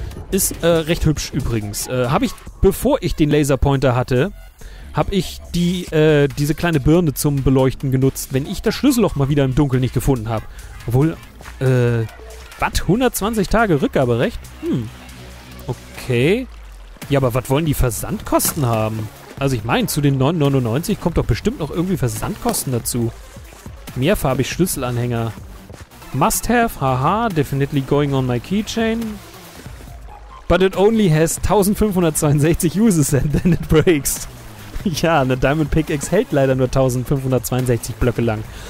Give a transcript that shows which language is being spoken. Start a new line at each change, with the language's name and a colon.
German: Ist recht hübsch übrigens. Habe ich, bevor ich den Laserpointer hatte, habe ich die diese kleine Birne zum Beleuchten genutzt, wenn ich das Schlüsselloch mal wieder im Dunkeln nicht gefunden habe. Obwohl, was? 120 Tage Rückgaberecht? Okay. Ja, aber was wollen die Versandkosten haben? Also ich meine, zu den 9,99 kommt doch bestimmt noch irgendwie Versandkosten dazu. Mehrfarbig Schlüsselanhänger.
English: Must have, haha, definitely going on my keychain. But it only has 1562 uses and then it breaks.
German: Ja, eine Diamond Pickaxe hält leider nur 1562 Blöcke lang.